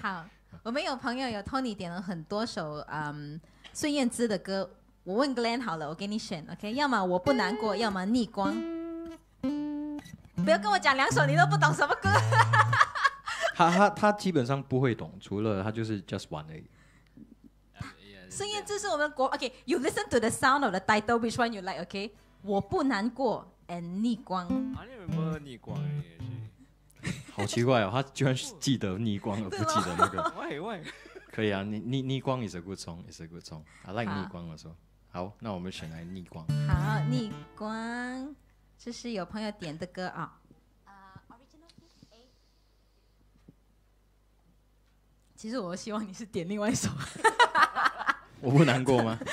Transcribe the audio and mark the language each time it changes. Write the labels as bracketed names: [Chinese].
[Chinese] 好，我们有朋友有 Tony 点了很多首孙燕姿的歌，我问 Glenn 好了，我给你选 OK， 要么我不难过，要么逆光。不要跟我讲两首你都不懂什么歌。他基本上不会懂，除了他就是 just 玩而已。孙燕姿是我们国 [English] OK， you listen to the sound of the title, which one you like? [Chinese] OK， 我不难过 and 逆光。啊，你有没有逆光？好奇怪哦，他居然记得逆光而不记得那个。喂喂，可以啊， [English] 逆光 is a good song, is a good song. I like 逆光的时候。 [Chinese] 好，那我们选来逆光。好，逆光，这是有朋友点的歌啊。其实我希望你是点另外一首。我不难过吗？